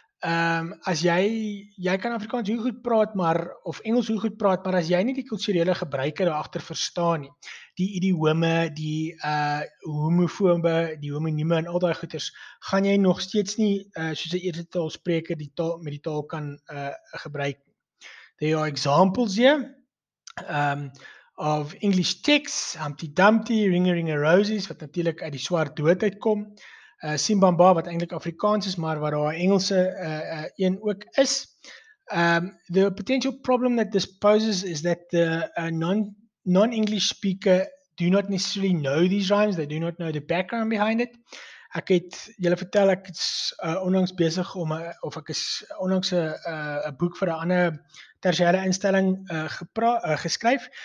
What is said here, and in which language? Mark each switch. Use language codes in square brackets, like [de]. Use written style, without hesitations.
[af] As jy kan Afrikaans hoe goed praat, maar of Engels hoe goed praat, maar as jy nie die kulturele gebruike daarachter verstaan nie, die idiome, die homofobe, die homonieme en al die goeders, gaan jy nog steeds nie, soos die eerste taalspreker, die taal met die taal kan gebruik. [en] There are examples here of English texts, [af] Humpty Dumpty, Ring a Ring a Roses, wat natuurlijk uit die swart dood uitkom, Simbamba, wat eigenlijk Afrikaans is, maar waar daar Engelse een ook is. [en] The potential problem that this poses is that the non-English speaker do not necessarily know these rhymes, they do not know the background behind it. [af] Ek het julle vertel, ek is onlangs besig om, of ek is onlangs een boek vir 'n ander tersiêre instelling geskryf.